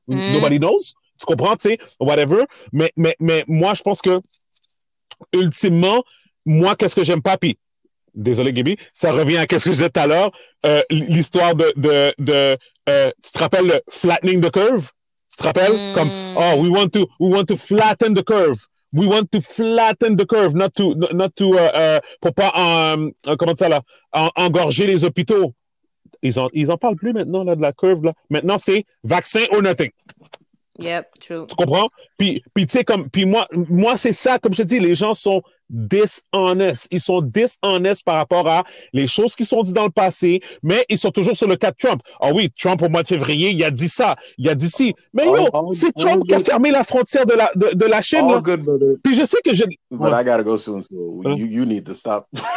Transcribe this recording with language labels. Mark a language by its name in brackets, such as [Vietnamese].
[French] Mm. [English] Nobody knows. [French] Tu comprends? T'sais, whatever. Mais moi, je pense que ultimement, moi, qu'est-ce que j'aime pas, puis désolé, Gaby, ça revient à qu'est-ce que je disais tout à l'heure, l'histoire tu te rappelles le [English] flattening the curve? [French] Tu te rappelles? Mm. [English] Comme, oh, we want to flatten the curve. We want to flatten the curve, not to [French] engorger les hôpitaux. Ils en parlent plus maintenant, là, de la curve, là. Maintenant, c'est vaccin [English] or nothing. Yep, true. [French] Tu comprends? Puis tu sais, comme, puis moi, c'est ça, comme je te dis, les gens sont dishonest. Ils sont dishonest par rapport à les choses qui sont dites dans le passé, mais ils sont toujours sur le cas de Trump. Ah oui, Trump, au mois de février, il a dit ça, il a dit ci. Mais yo, c'est Trump qui a fermé la frontière de la Chine. [English] All good, brother. [French] Puis je sais que je... [English] But I gotta go soon, so you need to stop.